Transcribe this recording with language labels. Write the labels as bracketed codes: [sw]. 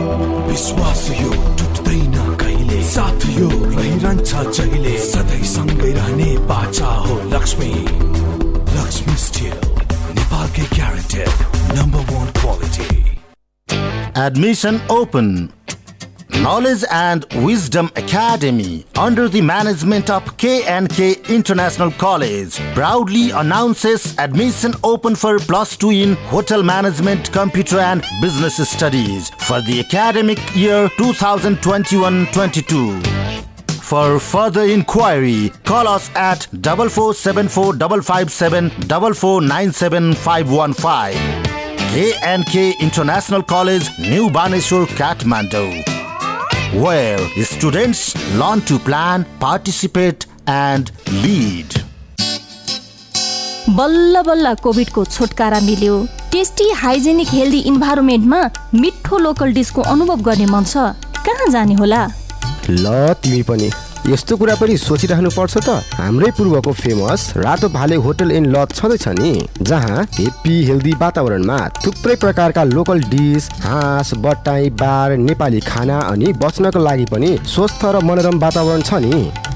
[ne] विश्वास यो टुट्दै न कहिले साथ यो रहिरहन्छ जहिले सधैं सँगै रहने बाचा हो लक्ष्मी लक्ष्मी स्टील नेपालकै guaranteed number one quality [en] Admission open Knowledge and Wisdom Academy, under the management of KNK International College, proudly announces admission open for plus two in Hotel Management, Computer and Business Studies for the academic year 2021-22. For further inquiry, call us at 4474557-4497515. KNK International College, New Baneshwar, Kathmandu. Well, students learn to plan, participate and lead. [ne] बल्ल बल्ल कोभिडको छुटकारा मिल्यो tasty hygienic healthy इन्भाइरोमेन्टमा मिठो local disco अनुभव गर्ने मन छ कहाँ जाने होला ल तिमी पनि यस्तो कुरा पनि सोचिरहनु पर्छ त हाम्रै पूर्वको फेमस रातो भाले होटल इन लत छँदैछ नि जहाँ हेप्पी हेल्दी वातावरणमा थुप्रै प्रकारका लोकल डिस हाँस बट्टाई बार नेपाली खाना अनि बस्नको लागि पनि स्वस्थ र मनोरम वातावरण छ नि